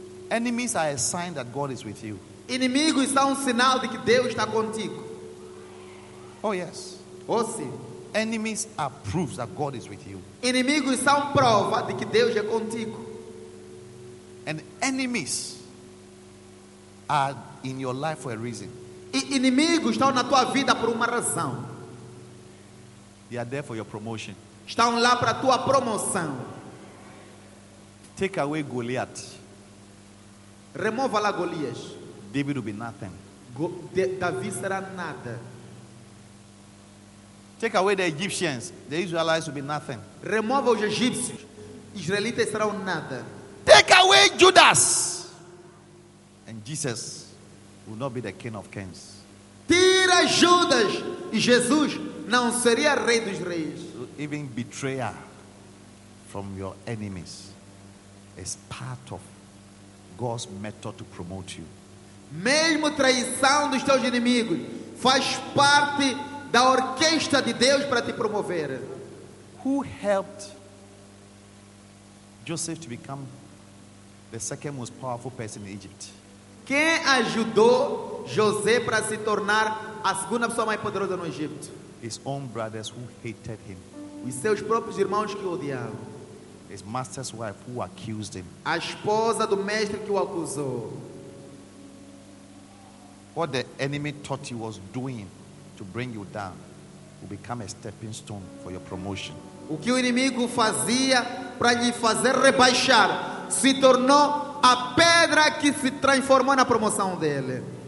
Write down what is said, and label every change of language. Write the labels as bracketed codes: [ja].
[en] Enemies are a sign that God is with you. [pt] Inimigos são sinal de que Deus está contigo. [en] Oh yes. [pt] Oh sim. [en] Enemies are proofs that God is with you. [pt] Inimigos são prova de que Deus é contigo. [en] And enemies are in your life for a reason. [pt] E inimigos estão na tua vida por uma razão. [en] They are there for your promotion. [pt] Estão lá para a tua promoção. [en] Take away Goliath. [pt] Remova lá Golias. [en] David will be nothing. [pt] Davi será nada. [en] Take away the Egyptians, the Israelites will be nothing. [pt] Remova os egípcios, israelitas serão nada. [en] Take away Judas, and Jesus will not be the King of Kings. [pt] Tira Judas, e Jesus não seria rei dos reis. [en] Even betrayal from your enemies is part of God's method to promote you. [pt] Mesmo traição dos teus inimigos faz parte da orquestra de Deus para te promover. [en] Who helped Joseph to become the second most powerful person in Egypt? [pt] Quem ajudou José para se tornar a segunda pessoa mais poderosa no Egito? [en] His own brothers who hated him. [pt] Os seus próprios irmãos que o odiavam. [en] His master's wife who accused him. [pt] A esposa do mestre que o acusou. [en] What the enemy thought he was doing to bring you down will become a stepping stone for your promotion. [pt] O que o inimigo fazia para lhe fazer rebaixar se tornou a pedra que se transformou na promoção dele.